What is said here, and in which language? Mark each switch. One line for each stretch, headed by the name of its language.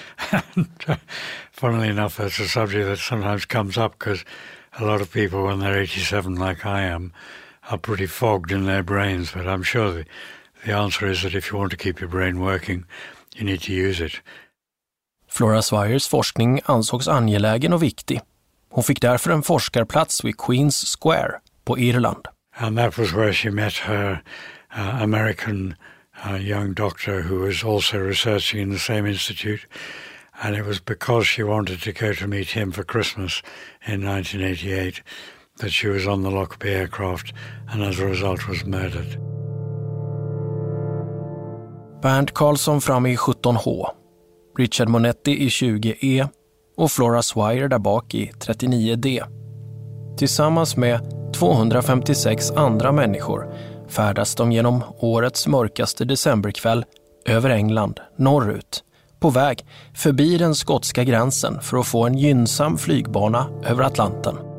English: And funnily enough, that's a subject that sometimes comes up because a lot of people when they're 87 like I am are pretty fogged in their brains. But I'm sure the answer is that if you want to keep your brain working, you need to use it.
Swedish: Flora Swires forskning ansågs angelägen och viktig. Hon fick därför en forskarplats vid Queen's Square på Irland.
English: And that was where she met her American young doctor who was also researching in the same institute. And it was because she wanted to go to meet him for Christmas in 1988 that she was on the Lockerbie aircraft and as a result was murdered.
Swedish: Bernt Karlsson fram i 17H, Richard Monetti i 20E och Flora Swire där bak i 39D. Tillsammans med 256 andra människor färdas de genom årets mörkaste decemberkväll över England, norrut, på väg förbi den skotska gränsen för att få en gynnsam flygbana över Atlanten.